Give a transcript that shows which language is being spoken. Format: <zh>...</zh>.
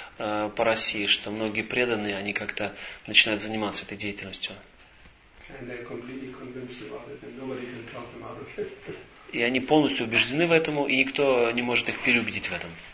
<ru>По России, что многие преданные, они как-то начинают заниматься этой деятельностью.</ru> <en>And they're completely convinced about it, and nobody can talk them out of it.</en> <ru>И они полностью убеждены в этом, и никто не может их переубедить в этом.</ru>